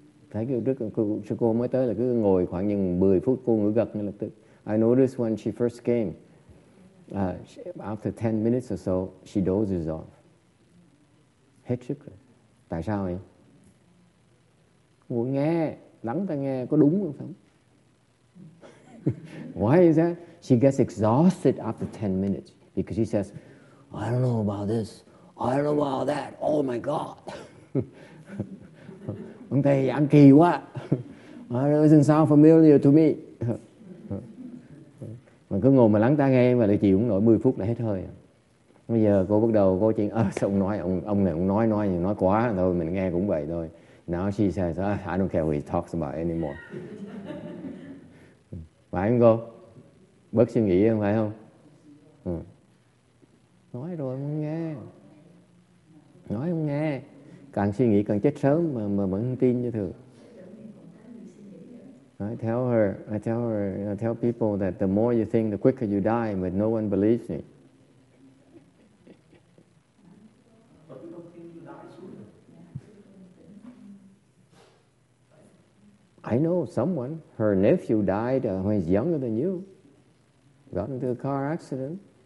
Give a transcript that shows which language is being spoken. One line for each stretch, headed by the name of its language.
Vietnamese: Thấy kiểu trước cô mới tới là cứ ngồi khoảng những 10 phút cô ngủ gật ngay lập tức.
English: I noticed when she first came, after 10 minutes or so, she dozes off.
Vietnamese: Hết sức rồi. Tại sao vậy? Ngồi nghe, lắng tai nghe, có đúng không?
English: Why is that? She gets exhausted after 10 minutes because she says, I don't know about this, I don't know about that, oh my God.
Vietnamese: Ông thầy ăn kỳ quá.
English: It doesn't sound familiar to me.
Vietnamese: Mà cứ ngồi mà lắng tai nghe mà lại chịu không nổi 10 phút là hết hơi. Bây giờ cô bắt đầu cô chuyện, sao ông nói, ông này ông nói quá thôi, mình nghe cũng vậy thôi.
English: Now she says, I don't care what he talks about anymore.
Vietnamese: Phải không cô? Bớt suy nghĩ không phải không? Nói rồi không nghe. Nói không nghe. Càng suy nghĩ càng chết sớm mà vẫn không tin như thường.
English: I tell her, I tell her, I tell people that the more you think, the quicker you die, but no one believes me. I know someone, her nephew died when he's younger than you, got into a car accident.